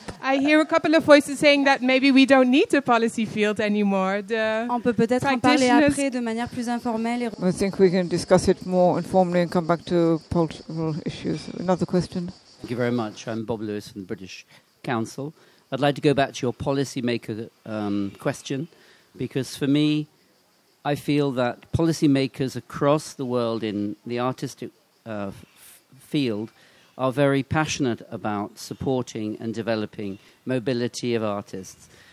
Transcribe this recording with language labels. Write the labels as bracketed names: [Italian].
[English] I hear a couple of voices saying that maybe we don't need a policy field anymore. [French] On peut peut-être en parler après de manière plus informelle. [English] I think we can discuss it more informally and come back to political issues. Another question. Thank you very much. I'm Bob Lewis from the British Council. I'd like to go back to your policymaker question, because for me, I feel that policymakers across the world in the artistic field are very passionate about supporting and developing mobility of artists.